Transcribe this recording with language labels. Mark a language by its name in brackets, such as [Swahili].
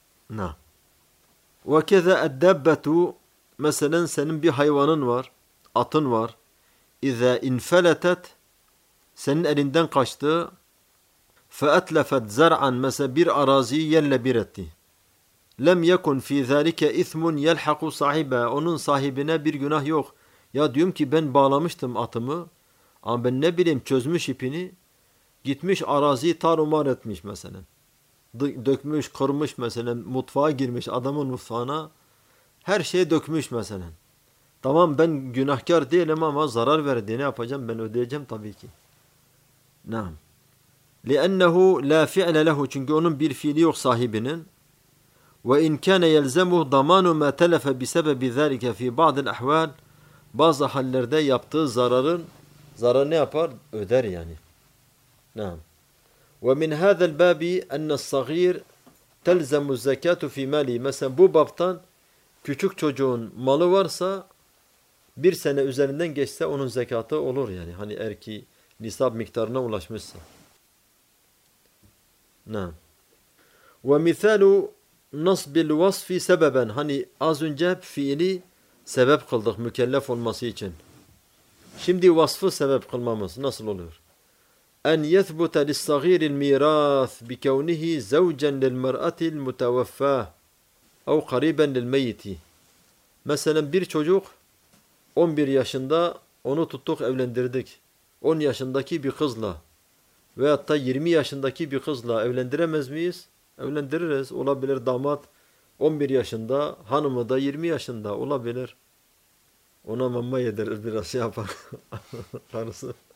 [Turkish] Ne? [Arabic] وَكَذَا الدَّبَّةُ [Turkish] Mesela senin bir hayvanın var, atın var. [Arabic] اِذَا اِنْفَلَتَتْ [Turkish] Senin elinden kaçtı. [Arabic] فَاَتْلَفَتْ زَرْعًا [Turkish] Mesela bir araziyi yerle bir etti. [Arabic] لَمْ يَكُنْ فِي ذَٰلِكَ اِثْمٌ يَلْحَقُ صَاحِبًا [Turkish] Onun sahibine bir günah yok. Ya diyorum ki ben bağlamıştım atımı. Ama ben ne bileyim, çözmüş ipini. Gitmiş araziyi tarumar etmiş mesela. Dökmüş, kırmış mesela. Mutfağa girmiş adamın mutfağına. Her şeyi dökmüş mesela. Tamam, ben günahkar değilim ama zarar verdi. Ne yapacağım? Ben ödeyeceğim tabii ki. Naam. [Arabic] لِأَنَّهُ لَا فِعْلَ لَهُ [Turkish] Çünkü onun bir fiili yok sahibinin. [Arabic] وَاِنْ كَانَ يَلْزَمُهُ دَمَانُ مَا تَلَفَ بِسَبَبِ ذَٰلِكَ فِي بَعْضِ الْاَحْوَالِ [Turkish] Bazı hallerde yaptığı zararı ne yapar? Öder yani. Naam. [Arabic] وَمِنْ هَذَا الْبَابِ اَنَّ الصَّغِيرِ تَلْزَمُ الزَّكَاتُ فِي مَالِهِ [Turkish] Mesela bu baftan küçük çocuğun malı varsa bir sene üzerinden geçse onun zekatı olur yani. Hani eğer ki nisab miktarına ulaşmışsa. Naam. [Arabic] وَمِثَالُ نَصْبِ الْوَصْفِ سَبَبًا [Turkish] Hani az önce fiili sebep kıldık mükellef olması için. Şimdi vasfı sebep kılmamız nasıl oluyor? [Arabic] اَنْ يَثْبُتَ لِسَّغِيرِ الْمِيرَاثِ بِكَوْنِهِ زَوْجًا لِلْمَرْأَةِ الْمُتَوَفَّةِ اَوْ قَرِيبًا لِلْمَيِّتِ [Turkish] Mesela bir çocuk 11 yaşında onu tuttuk evlendirdik. 10 yaşındaki bir kızla veyahut da 20 yaşındaki bir kızla evlendiremez miyiz? Evlendiririz. Olabilir damat 11 yaşında, hanımı da 20 yaşında olabilir. Ona mamma yedirir, biraz şey yapar. Tanısı.